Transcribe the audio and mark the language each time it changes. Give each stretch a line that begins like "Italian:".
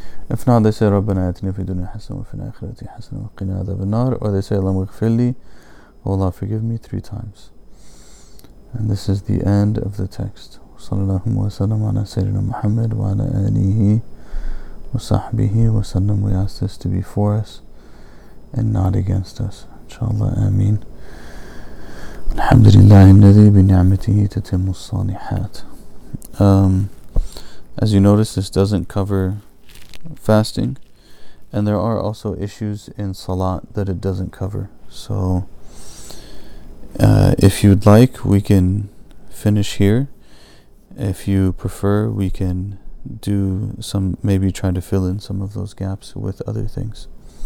English: If not, they say
Arabic: ربنا آتنا في الدنيا حسنة وفي الآخرة حسنة وقنا عذاب النار,
English: or they say
Arabic: اللهم اغفر لي,
English: oh Allah forgive me, three times. And this is the end of the text.
Arabic: صلى الله وسلم على سيدنا محمد وعلى آله وصحبه وسلم.
English: We ask this to be for us and not against us. Inshallah, Ameen.
Arabic: Alhamdulillah, الذي بنعمته تتم الصالحات.
English: As you notice, this doesn't cover fasting, and there are also issues in Salat that it doesn't cover. So, if you'd like, we can finish here. If you prefer, we can do some, maybe try to fill in some of those gaps with other things.